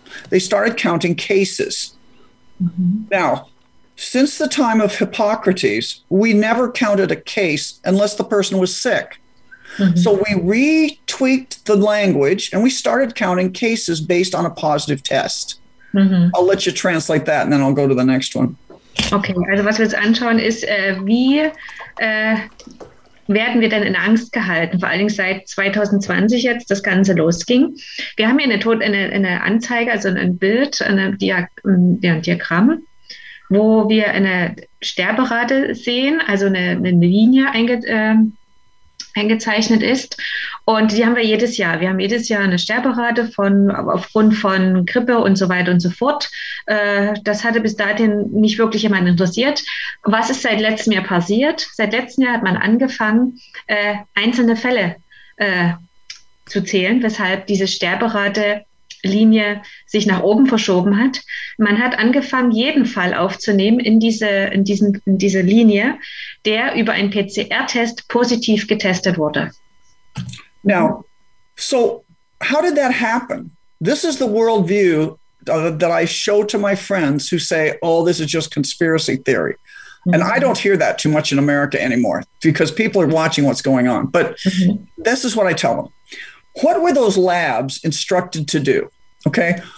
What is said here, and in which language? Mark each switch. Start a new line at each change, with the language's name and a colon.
English: They started counting cases. Mm-hmm. Now, since the time of Hippocrates, we never counted a case unless the person was sick. Mm-hmm. So we retweaked the language and we started counting cases based on a positive test. Mm-hmm. I'll let you translate that and then I'll go to the next one.
German: Okay, also was wir jetzt anschauen ist, wie werden wir denn in Angst gehalten, vor allen Dingen seit 2020 jetzt das Ganze losging. Wir haben hier eine Anzeige, also ein Bild, ein Diagramm, wo wir eine Sterberate sehen, also eine Linie eingezeichnet ist. Und die haben wir jedes Jahr. Wir haben jedes Jahr eine Sterberate aufgrund von Grippe und so weiter und so fort. Das hatte bis dahin nicht wirklich jemand interessiert. Was ist seit letztem Jahr passiert? Seit letztem Jahr hat man angefangen, einzelne Fälle zu zählen, weshalb diese Sterberate-Linie sich nach oben verschoben hat. Man hat angefangen, jeden Fall aufzunehmen in diese Linie, der über einen PCR-Test positiv getestet wurde.
English: Now, so how did that happen? This is the worldview that I show to my friends who say, oh, this is just conspiracy theory. Mm-hmm. And I don't hear that too much in America anymore because people are watching what's going on. But this is what I tell them. What were those labs instructed to do? Okay.